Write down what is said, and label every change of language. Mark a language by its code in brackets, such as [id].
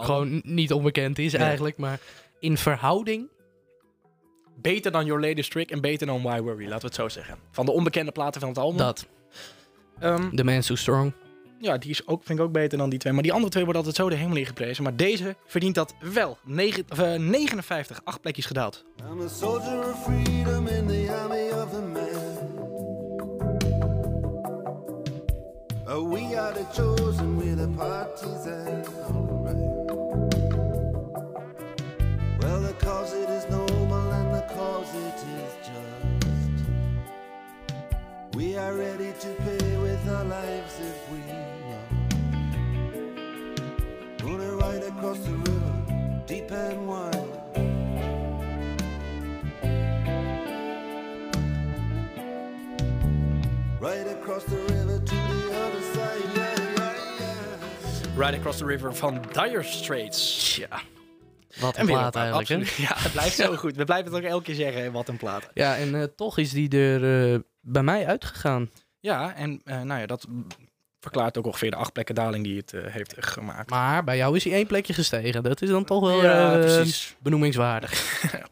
[nl] Gewoon niet onbekend is eigenlijk, maar in verhouding... Beter dan Your Latest Trick en beter dan Why Worry, laten we het zo zeggen. Van de onbekende platen van het album. Dat. The Man's Too Strong. Ja, die is ook, vind ik ook beter dan die twee. Maar die andere twee worden altijd zo de hemel ingeprezen. Maar deze verdient dat wel. 59, 8 plekjes gedaald. [en] I'm a soldier of freedom in the army of a man. Oh, we are the chosen, we're the partisan, alright. Well, the cause it is noble and the cause it is just. We are ready to pay with our lives if we must. Gonna ride across the river, deep and wide. Ride across the river to the other side, yeah. [nl] Ride across the river van Dire Straits. Ja. Wat een plaat eigenlijk, hè? Ja, het blijft zo goed. We blijven het ook elke keer zeggen, wat een plaat. Ja, en toch is die er bij mij uitgegaan. Ja, en nou ja, dat verklaart ook ongeveer de 8 plekken daling die het heeft gemaakt. Maar bij jou is hij 1 plekje gestegen. Dat is dan toch wel benoemingswaardig.